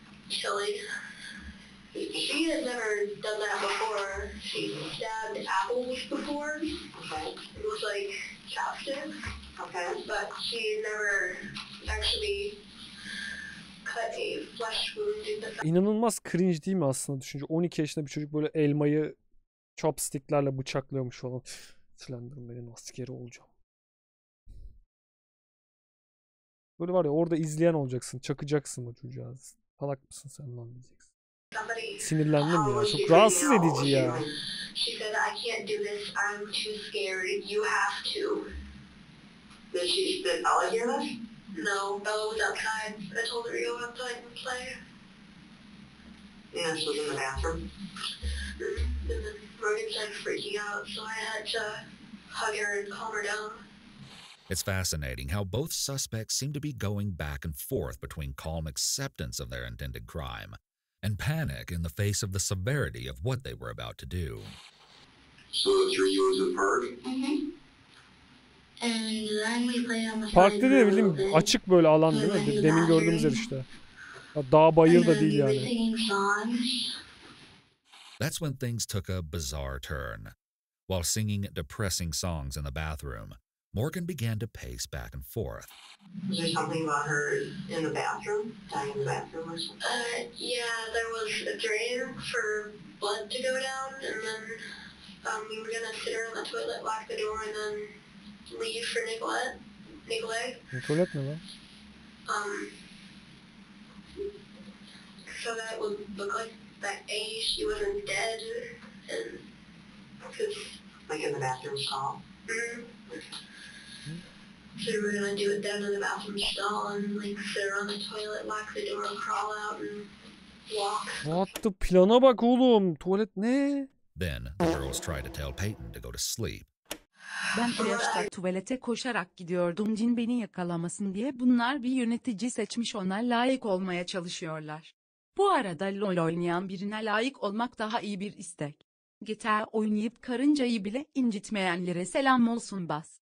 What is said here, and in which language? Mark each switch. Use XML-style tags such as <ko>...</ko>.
<en>Killing. She has never done that before. She stabbed apples before. Okay. It was like chopstick. Okay. But she never actually cut a flesh wound in the face.</en> <tr>İnanılmaz cringe değil mi aslında düşünce? 12 yaşında bir çocuk böyle elmayı chopsticklerle bıçaklıyormuş falan. Slenderman benim askeri olacağım. Böyle var ya orada izleyen olacaksın. Çakacaksın bu çocuğa. Salak mısın sen lan diyeceksin. Sinirlendim ya. Çok rahatsız edici ya.</tr> <en>She said, I can't do this. I'm too scared. You have to. Did she spit all of your life? No, Bella was outside. I told her you were outside and play. Yeah, she was in the bathroom. And then Morgan started freaking out, so I had to hug her and calm her down. It's fascinating how both suspects seem to be going back and forth between calm acceptance of their intended crime and panic in the face of the severity of what they were about to do. So the three of you was in the park? Mm-hmm. And then we played on the park side.</en> <tr>Park dediğim açık böyle alan değil mi? Demin gördüğümüz yer işte. Dağ bayır da değil yani.</tr> <en>That's when things took a bizarre turn. While singing depressing songs in the bathroom, Morgan began to pace back and forth. Was there something about her in the bathroom? Dying in the bathroom or something? Yeah, there was a drain for blood to go down, and then we were gonna sit her on the toilet, lock the door, and then leave for Nicolette. Nicolette, no? So that it would look like that A, she wasn't dead, and because... Like in the bathroom stall? Mm-hmm. So we're gonna do it down in the bathroom stall and like sit around the toilet, lock the door, and crawl out and walk. What the</en> <tr>plana bak oğlum, tuvalet ne?</tr> <en>Then the girls try to tell Peyton to go to sleep.</en> <tr>Ben o yaşta tuvalete koşarak gidiyordum cin beni yakalamasın diye. Bunlar bir yönetici seçmiş, ona layık olmaya çalışıyorlar. Bu arada LOL oynayan birine layık olmak daha iyi bir istek. GTA oynayıp karıncayı bile incitmeyenlere selam olsun bas.</tr>